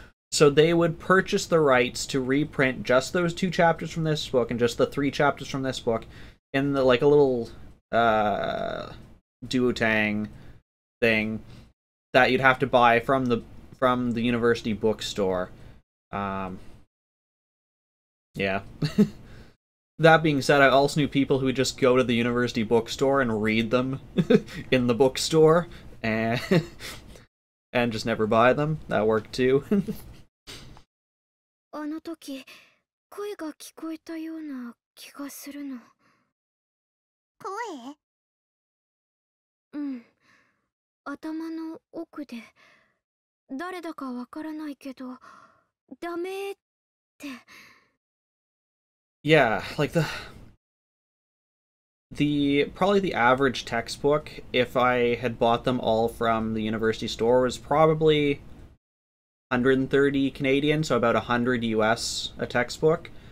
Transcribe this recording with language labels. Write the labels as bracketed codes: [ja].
[en] So they would purchase the rights to reprint just those 2 chapters from this book and just the 3 chapters from this book in the, like, a little Duotang thing that you'd have to buy from the university bookstore. Yeah. That being said, I also knew people who would just go to the university bookstore and read them in the bookstore and and just never buy them. That worked too. [ja] あの時, 声が聞こえたような気がするの. 声? 頭の奥で誰だかわからないけどダメって。 [en] Yeah, like the probably the average textbook if I had bought them all from the university store was probably 130 Canadian, so about 100 US a textbook.